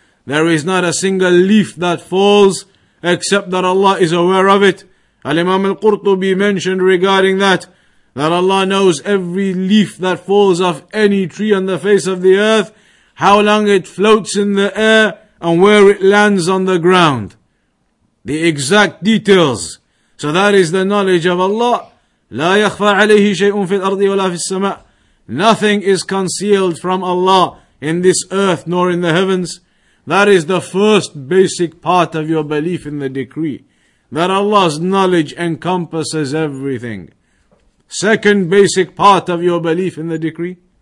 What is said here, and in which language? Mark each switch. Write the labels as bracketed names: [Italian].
[English] There is not a single leaf that falls, except that Allah is aware of it. Al-Imam al-Qurtubi mentioned regarding that, that Allah knows every leaf that falls off any tree on the face of the earth, how long it floats in the air, and where it lands on the ground. The exact details. So that is the knowledge of Allah. [Arabic] لا يخفى عليه شيء في الأرض ولا في السماء. [English] Nothing is concealed from Allah in this earth nor in the heavens. That is the first basic part of your belief in the decree. That Allah's knowledge encompasses everything. Second basic part of your belief in the decree.